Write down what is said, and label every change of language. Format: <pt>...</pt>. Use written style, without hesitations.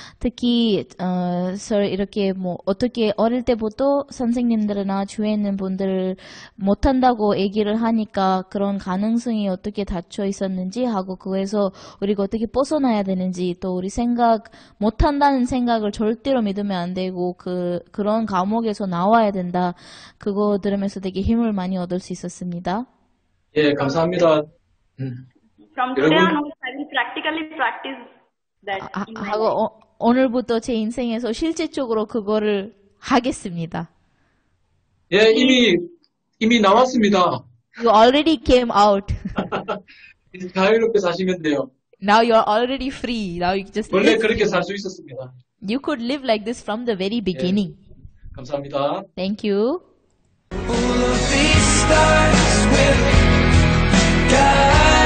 <ko>특히 이렇게 뭐 어떻게 어릴 때부터 선생님들이나 주위에 있는 분들 못한다고 얘기를 하니까 그런 가능성이 어떻게 닫혀 있었는지 하고 그거에서 우리가 어떻게 벗어나야 되는지 또 우리 생각 못한다는 생각을 절대로 믿으면 안 되고 그런 감옥에서 나와야 된다. 그거 들으면서 되게 힘을 많이 얻을 수 있었습니다. 예, 감사합니다.</ko> <en>From today on, I will practically practice that.</en> <ko>오늘부터 제 인생에서 실제적으로 그거를 하겠습니다. 예, 이미 나왔습니다.</ko> <en>You already came out.</en> <ko>이제 자유롭게 사시면 돼요.</ko> <en>Now you are already free. Now you just</en> <ko>원래 그렇게 살 수 있었습니다.</ko> <en>You could live like this from the very beginning.</en> <ko>예, 감사합니다.</ko> <en>Thank you. All of these stars with God.</en>